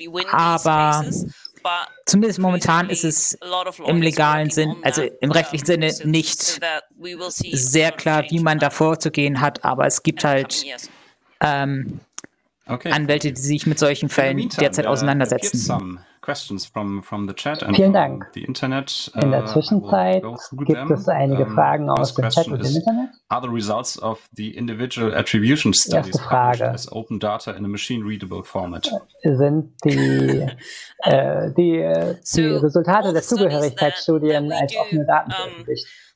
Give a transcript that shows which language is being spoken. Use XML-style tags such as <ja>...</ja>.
<de>Aber zumindest momentan ist es im legalen Sinn, also im rechtlichen Sinne, nicht sehr klar, wie man da vorzugehen hat, aber es gibt halt Anwälte, die sich mit solchen Fällen derzeit auseinandersetzen. Vielen Dank. In der Zwischenzeit gibt es einige Fragen aus dem Chat und dem Internet.</de> <en>Are the results of the individual attribution studies published as open data in a machine-readable format?</en> <de>Sind die die Resultate der Zugehörigkeitsstudien als offene Daten veröffentlicht?</de>